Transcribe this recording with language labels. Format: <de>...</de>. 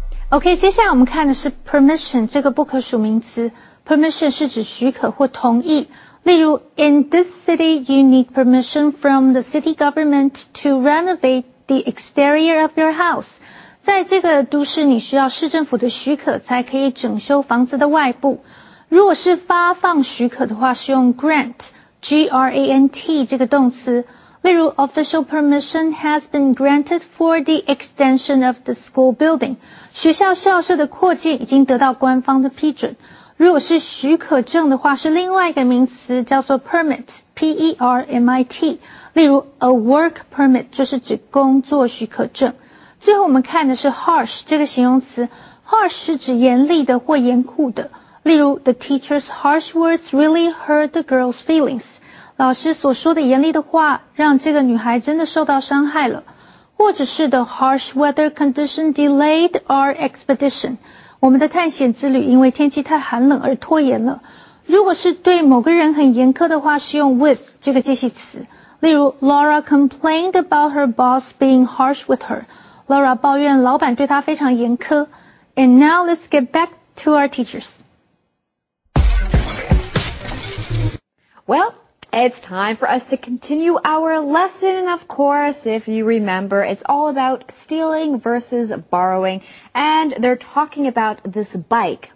<zh>OK, 接下来我们看的是 permission 这个不可数名词。 permission 是指许可或同意。例如</zh> <en>,in this city, you need permission from the city government to renovate the exterior of your house.</en> <zh>在这个都市你需要市政府的许可才可以整修房子的外部。如果是发放许可的话是用 grant,G-R-A-N-T 这个动词。例如</zh> <en>,official permission has been granted for the extension of the school building.</en> <zh>学校校舍的扩建已经得到官方的批准。如果是许可证的话是另外一个名词叫做 permit, P-E-R-M-I-T。例如 ,</zh> <en>a work permit,</en> <zh>就是指工作许可证。最后我们看的是 harsh, 这个形容词。harsh 是指严厉的或严酷的。例如 ,</zh> <en>the teacher's harsh words really hurt the girl's feelings.</en> <zh>老师所说的严厉的话让这个女孩真的受到伤害了。或者是</zh> <en>the harsh weather condition delayed our expedition.</en> <zh>我们的探险之旅因为天气太寒冷而拖延了。如果是对某个人很严苛的话，是用 with 这个介系词。例如</zh> <en>,Laura complained about her boss being harsh with her.</en> <zh>Laura 抱怨老板对她非常严苛。</zh> <en>And now let's get back to our teachers. Well,It's time for us to continue our lesson, and of course, if you remember, it's all about stealing versus borrowing, and they're talking about this bike.</en>